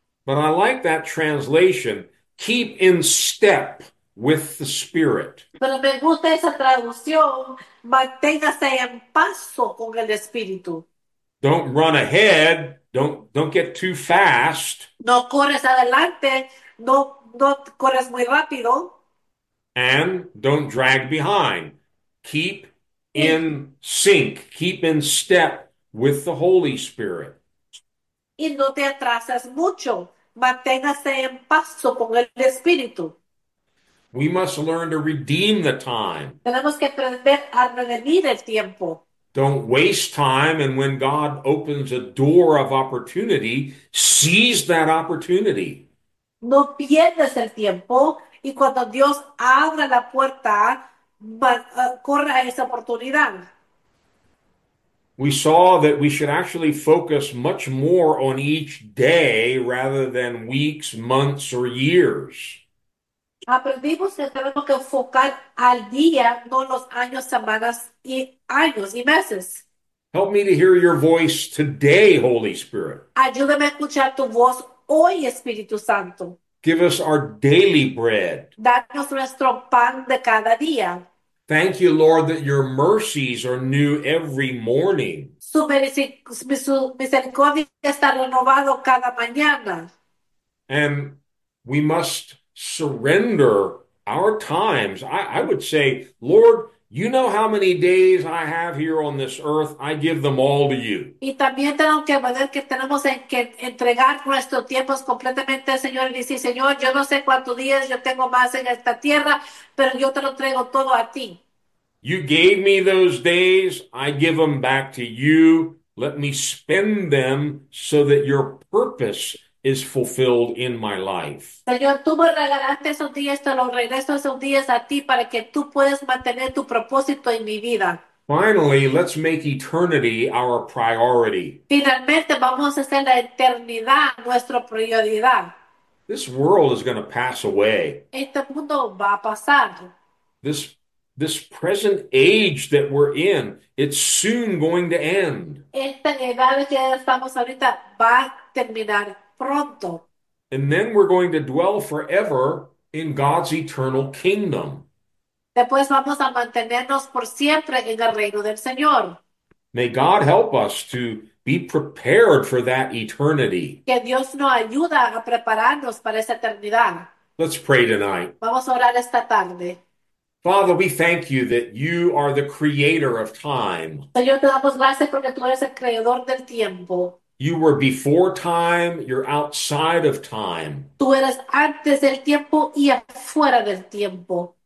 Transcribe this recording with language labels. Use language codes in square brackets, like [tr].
[en] But I like that translation, keep in step with the Spirit. [es] Pero me gusta esa traducción, manténgase en paso con el Espíritu. [en] Don't run ahead, don't get too fast. [es] No corres adelante, no corres muy rápido. [en] And don't drag behind. Keep [es] Y [en] in sync, keep in step with the Holy Spirit. [es] no te atrases mucho, manténgase en paso con el Espíritu. [en] We must learn to redeem the time. [es] Tenemos que aprender a redimir el tiempo. [en] Don't waste time, and when God opens a door of opportunity, seize that opportunity. [es] No pierdas el tiempo y cuando Dios abra la puerta, corre a esa oportunidad. [en] We saw that we should actually focus much more on each day rather than weeks, months, or years. [es] Aprendimos que tenemos que enfocar al día, no los años, semanas y años y meses. [en] Help me to hear your voice today, Holy Spirit. [es] Ayúdame a escuchar tu voz hoy, Espíritu Santo. [en] Give us our daily bread. [es] Danos nuestro pan de cada día. [en] Thank you, Lord, that your mercies are new every morning. [es] Su misericordia está renovado cada mañana. [en] And we must surrender our times. I would say, Lord, you know how many days I have here on this earth. I give them all to you. [es] Y también tengo que ver que tenemos que entregar nuestros tiempos completamente al Señor y decir, Señor, yo no sé cuántos días yo tengo más en esta tierra, pero yo te lo traigo todo a ti. [en] You gave me those days. I give them back to you. Let me spend them so that your purpose is fulfilled in my life. [es] Señor, tú me regalaste esos días, te los regreso esos días a ti para que tú puedas mantener tu propósito en mi vida. [en] Finally, let's make eternity our priority. [es] Finalmente vamos a hacer la eternidad nuestra prioridad. [en] This world is going to pass away. [es] Este mundo va a pasar. [en] This present age that we're in, it's soon going to end. [es] Esta edad que estamos ahorita va a terminar pronto. [en] And then we're going to dwell forever in God's eternal kingdom. [es] Después vamos a mantenernos por siempre en el reino del Señor. [en] May God help us to be prepared for that eternity. [es] Que Dios nos ayuda a prepararnos para esa eternidad. [en] Let's pray tonight. [es] Vamos a orar esta tarde. [en] Father, we thank you that you are the creator of time. [es] Señor, te damos gracias porque tú eres el creador del tiempo. [en] You were before time, you're outside of time. [es] Tú eres antes del tiempo y afuera del tiempo.